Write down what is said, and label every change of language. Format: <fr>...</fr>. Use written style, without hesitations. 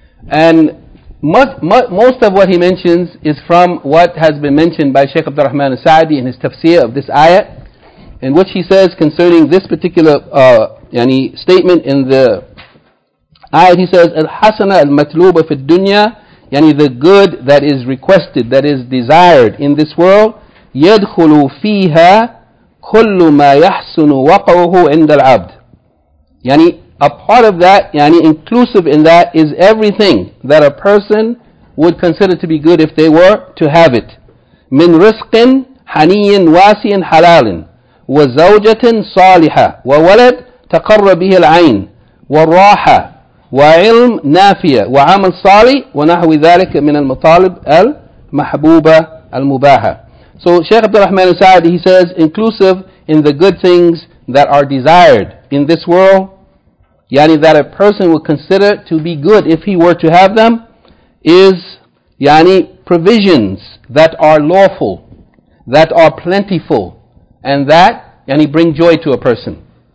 <en>And most of what he mentions is from what has been mentioned by Shaykh Abdul Rahman al-Sa'di in his tafsir of this ayat, in which he says concerning this particular yani statement in the ayat, he says,</en> <ar>الحسنة المطلوبة في الدنيا,</ar> <en>yani the good that is requested, that is desired in this world,</en> <ar>يدخل فيها كل ما يحسن وقعه عند العبد.</ar> <en>Yani a part of that, yani inclusive in that, is everything that a person would consider to be good if they were to have it.</en> <ar>من رزق حني واسع حلال وزوجة صالحة وولد تقر به العين والراحة وعلم نافية وعمل صالح ونحو ذلك من المطالب المحبوبة المباحة.</ar> <en>So Shaykh Abdul Rahman al-Sa'di, he says, inclusive in the good things that are desired in this world, yani that a person would consider to be good if he were to have them, is yani provisions that are lawful, that are plentiful, and that yani bring joy to a person.</en>